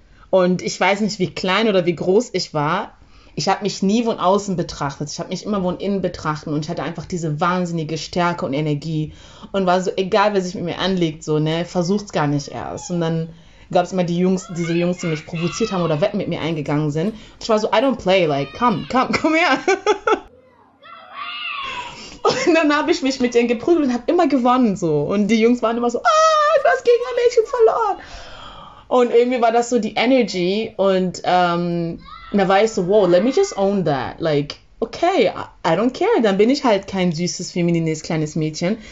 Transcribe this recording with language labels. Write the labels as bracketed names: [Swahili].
[German] Und ich weiß nicht, wie klein oder wie groß ich war, ich habe mich nie von außen betrachtet, ich habe mich immer von innen betrachtet und ich hatte einfach diese wahnsinnige Stärke und Energie und war so, egal wer sich mit mir anlegt, so, ne, versucht's gar nicht erst. Und dann gab es immer die Jungs, diese Jungs, die mich provoziert haben oder Wetten mit mir eingegangen sind. [English] Ich war so, I don't play, like, come her. [German] Und dann habe ich mich mit denen geprügelt und habe immer gewonnen so. Und die Jungs waren immer so, ah, du hast gegen ein Mädchen verloren. Und irgendwie war das so die Energy und da war ich so, wow, [English] let me just own that. Like, okay, I don't care, [German] dann bin ich halt kein süßes, feminines, kleines Mädchen.